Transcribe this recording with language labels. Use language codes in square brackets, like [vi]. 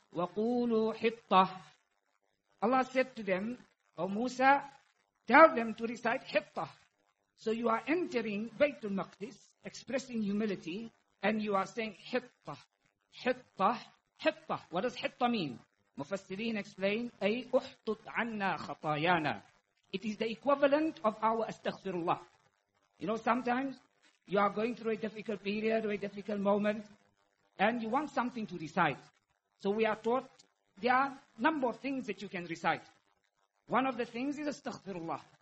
[ar] وَقُولُوا حِطَّةً. [en] Allah said to them, O Musa, tell them to recite حِطَّةً. So you are entering Baytul Maqdis, expressing humility, and you are saying حِطَّةً, حِطَّةً, حِطَّةً. What does حِطَّةً mean? Mufassirin explain, [ar] أي أُحْطُطْ عَنَّا خَطَايَانَا. [en] It is the equivalent of our astaghfirullah. You know, sometimes you are going through a difficult period or a difficult moment, and you want something to recite. So we are taught there are a number of things that you can recite. One of the things is astaghfirullah.